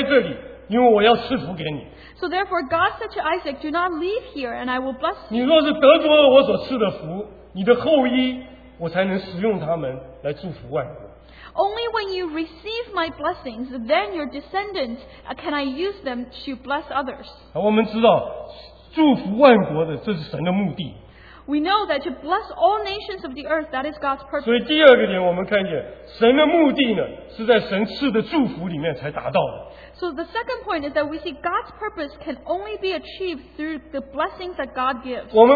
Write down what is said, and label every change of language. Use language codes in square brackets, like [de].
[zh] 所以神告诉以撒说，你不要离开这里，因为我要赐福给你。 [en] So therefore, God said to Isaac, "Do not leave here, and I will bless you." [zh] 你若是得着了我所赐的福，你的后裔，我才能使用他们来祝福万国。 [en] Only when you receive my blessings, then your descendants can I use them to bless others. [zh] 我们知道，祝福万国的，这是神的目的。 [en] We know that to bless all nations of the earth, that is God's purpose. [zh] 所以第二个点我们看见神的目的呢是在神赐的祝福里面才达到的。 [en] So the second point is that we see God's purpose can only be achieved through the blessings that God gives.